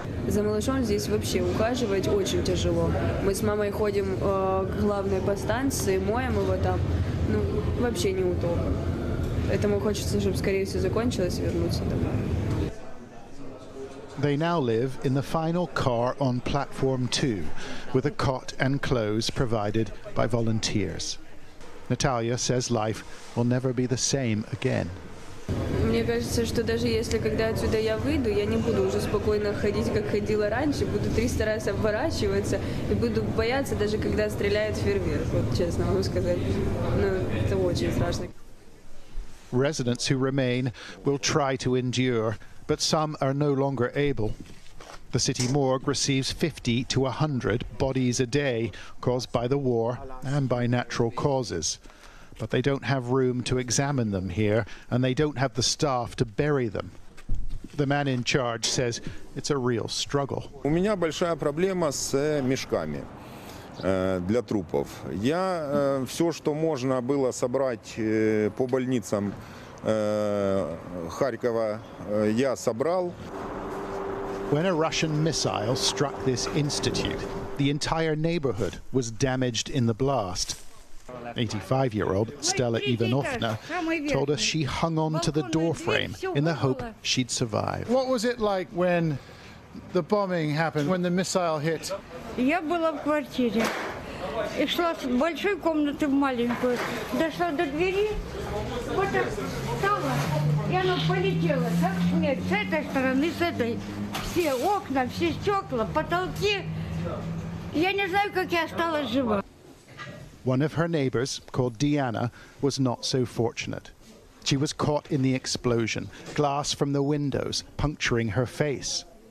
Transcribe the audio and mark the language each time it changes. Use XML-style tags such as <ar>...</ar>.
<ru>За малышом здесь вообще ухаживать очень тяжело. Мы с мамой ходим к главной подстанции, моем его там. Ну, вообще не удобно. Поэтому хочется, чтобы скорее все закончилось, вернуться домой.</ru> <en>They now live in the final car on platform 2, with a cot and clothes provided by volunteers. Natalia says life will never be the same again.</en> <ru>Мне кажется, что даже если когда отсюда я выйду, я не буду уже спокойно ходить, как ходила раньше, буду 300 раз оборачиваться и буду бояться даже когда стреляют фейерверк. Вот честно могу сказать, ну это очень страшно.</ru> <en>Residents who remain will try to endure, but some are no longer able. The city morgue receives 50 to 100 bodies a day caused by the war and by natural causes. But they don't have room to examine them here, and they don't have the staff to bury them. The man in charge says it's a real struggle.</en> <ru>У меня большая проблема с мешками для трупов. Я все, что можно было собрать по больницам Харькова, я собрал.</ru> <en>When a Russian missile struck this institute, the entire neighborhood was damaged in the blast. 85-year-old Stella Ivanovna told us she hung on to the doorframe in the hope she'd survive. What was it like when the bombing happened, when the missile hit?</en> <ru>Я была в квартире. И шла с большой комнаты в маленькую. Дошла до двери, вот так встала, и оно полетело. Как смерть, с этой стороны, с этой. Все окна, все стекла, потолки. Я не знаю, как я осталась жива.</ru> <en>One of her neighbors, called Diana, was not so fortunate. She was caught in the explosion, glass from the windows puncturing her face.</en>